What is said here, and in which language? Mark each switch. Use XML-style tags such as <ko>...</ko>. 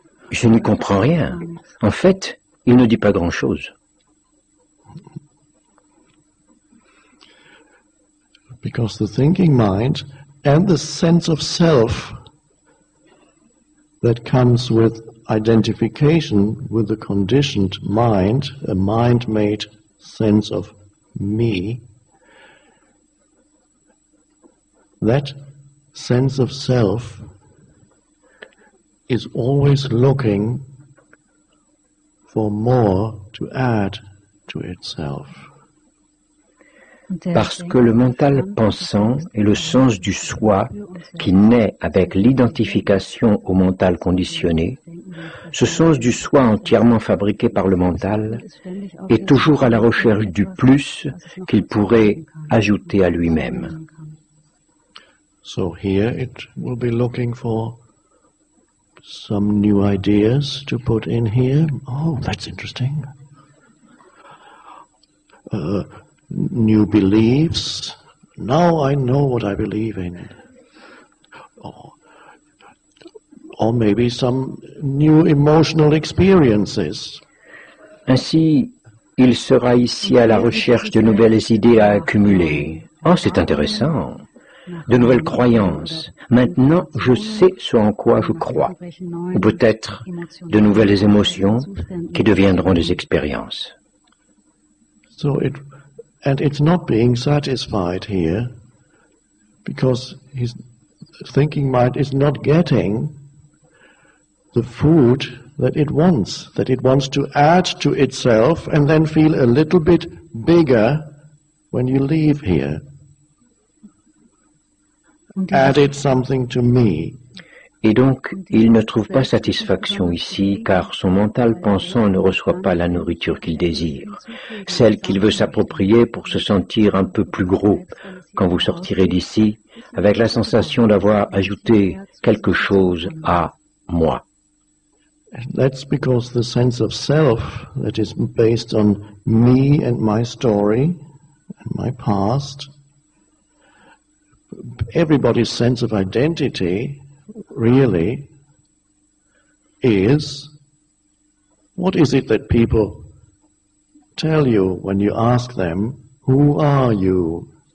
<fr>Je n'y comprends rien. En fait, il ne dit pas grand-chose.</fr> <en>Because the thinking mind and the sense of self that comes with identification with the conditioned mind, a mind-made sense of me, that sense of self is always looking for more to add to itself.</en> <fr>Parce que le mental pensant et le sens du soi qui naît avec l'identification au mental conditionné, ce sens du soi entièrement fabriqué par le mental, est toujours à la recherche du plus qu'il pourrait ajouter à lui-même.</fr> <en>So here it will be looking for some new ideas to put in here. Oh, that's interesting. New beliefs. Now I know what I believe in. Or maybe some new emotional experiences.</en> <fr>Ainsi, il sera ici à la recherche de nouvelles idées à accumuler. Oh, c'est intéressant. De nouvelles croyances. Maintenant, je sais ce en quoi je crois. Ou peut-être de nouvelles émotions qui deviendront des expériences.</fr> <en>So it, and it's not being satisfied here because his thinking mind is not getting the food that it wants to add to itself and then feel a little bit bigger when you leave here. Added something to me.</en> <fr>Et donc, il ne trouve pas satisfaction ici, car son mental pensant ne reçoit pas la nourriture qu'il désire, celle qu'il veut s'approprier pour se sentir un peu plus gros quand vous sortirez d'ici, avec la sensation d'avoir ajouté quelque chose à moi.</fr> <en>That's because the sense of self that is based on me and my story and my past. Everybody's sense of identity really is what is it that people tell you when you ask them who are you?</en>